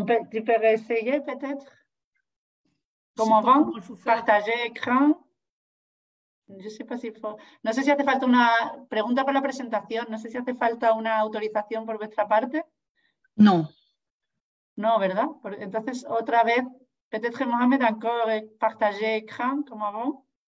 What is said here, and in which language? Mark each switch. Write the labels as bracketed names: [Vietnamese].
[French] Tu peux réessayer, peut-être? [Spanish] Como [French] avant, partager écran. Je sais pas si faut... [Spanish] No sé si hace falta una pregunta para la presentación. No sé si hace falta una autorización por vuestra parte. No. No, ¿verdad? Entonces, otra vez... [French] Peut-être Mohamed encore partager écran comme avant.